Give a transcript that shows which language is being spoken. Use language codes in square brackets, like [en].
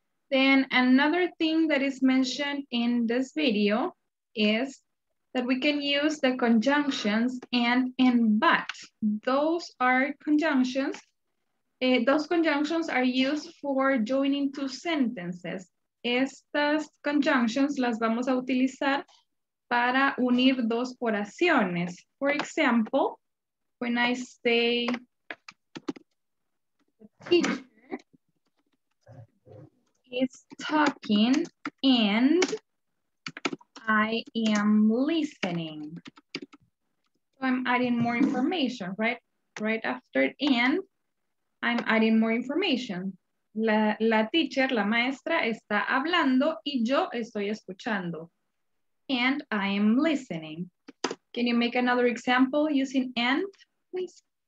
[en] Then another thing that is mentioned in this video is that we can use the conjunctions and but. Those are conjunctions. Those conjunctions are used for joining two sentences. [es] Estas conjunctions las vamos a utilizar para unir dos oraciones. [en] For example, when I say the teacher is talking and I am listening. So I'm adding more information, right? Right after and, I'm adding more information. [es] La teacher, la maestra, está hablando y yo estoy escuchando. [en] And I am listening. Can you make another example using and, please?